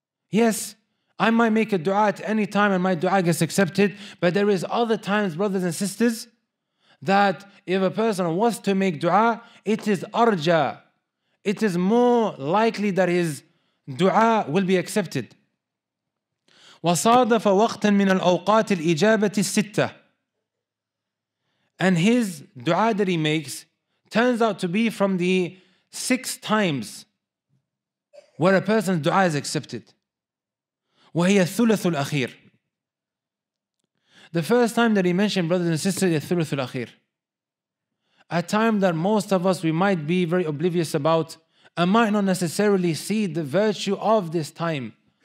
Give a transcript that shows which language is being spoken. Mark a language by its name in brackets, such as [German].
[English] Yes, I might make a dua at any time and my dua gets accepted, but there is other times, brothers and sisters, that if a person was to make dua, it is arja. It is more likely that his dua will be accepted. [Arabic] وصادف وقتا من الأوقات الإجابة الستة. [English] And his dua that he makes turns out to be from the six times where a person's dua is accepted. [Arabic] وهي الثلث الأخير. [English] The first time that he mentioned, brothers and sisters, is [Arabic] الثلث الأخير. [English] A time that most of us, we might be very oblivious about and might not necessarily see the virtue of this time.